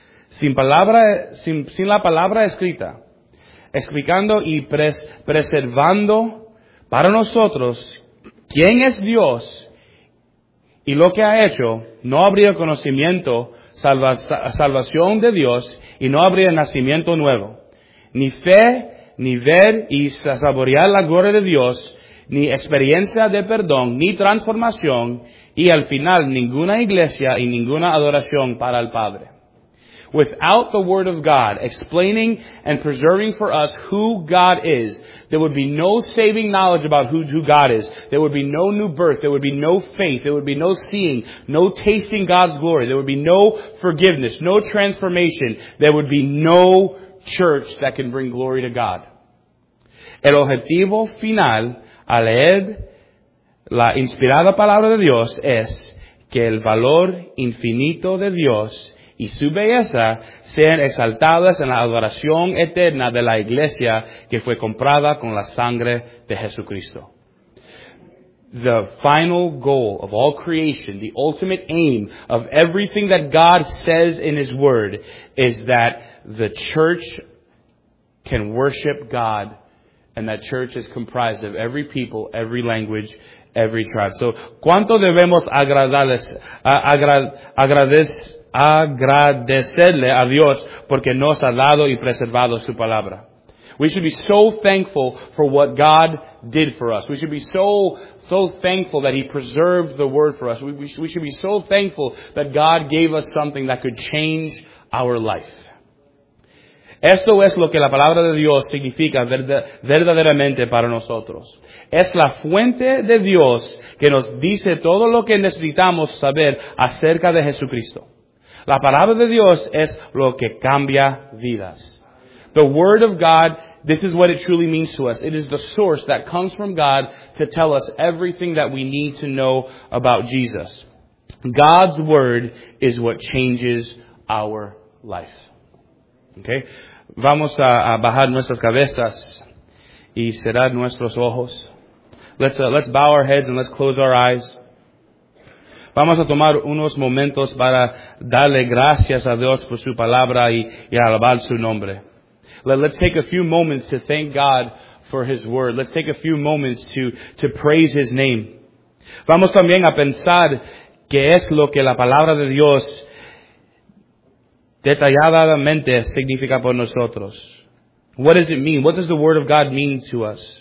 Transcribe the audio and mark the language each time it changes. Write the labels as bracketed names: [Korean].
[Spanish] Sin la palabra escrita, explicando y preservando para nosotros quién es Dios y lo que ha hecho, no habría conocimiento, salvación de Dios, y no habría nacimiento nuevo. Ni fe, ni ver y saborear la gloria de Dios, ni experiencia de perdón, ni transformación, y al final ninguna iglesia y ninguna adoración para el Padre. [English] Without the Word of God explaining and preserving for us who God is, there would be no saving knowledge about who God is. There would be no new birth. There would be no faith. There would be no seeing, no tasting God's glory. There would be no forgiveness, no transformation. There would be no church that can bring glory to God. [Spanish] El objetivo final al leer la inspirada palabra de Dios es que el valor infinito de Dios y su belleza sean exaltadas en la adoración eterna de la iglesia que fue comprada con la sangre de Jesucristo. [English] The final goal of all creation, the ultimate aim of everything that God says in His Word, is that the church can worship God, and that church is comprised of every people, every language, every tribe. [Spanish] So, ¿cuánto debemos agradecerle a Dios porque nos ha dado y preservado su palabra? [English] We should be so thankful for what God did for us. We should be so thankful that He preserved the Word for us. We should be so thankful that God gave us something that could change our life. [Spanish] Esto es lo que la palabra de Dios significa verdaderamente para nosotros. Es la fuente de Dios que nos dice todo lo que necesitamos saber acerca de Jesucristo. La palabra de Dios es lo que cambia vidas. [English] The Word of God, this is what it truly means to us. It is the source that comes from God to tell us everything that we need to know about Jesus. God's Word is what changes our life. Okay? [Spanish] Vamos a bajar nuestras cabezas y cerrar nuestros ojos. [English] Let's bow our heads and let's close our eyes. [Spanish] Vamos a tomar unos momentos para darle gracias a Dios por su palabra y alabar su nombre. [English] Let's take a few moments to thank God for His Word. Let's take a few moments to praise His name. [Spanish] Vamos también a pensar qué es lo que la palabra de Dios detalladamente significa por nosotros. [English] What does it mean? What does the Word of God mean to us?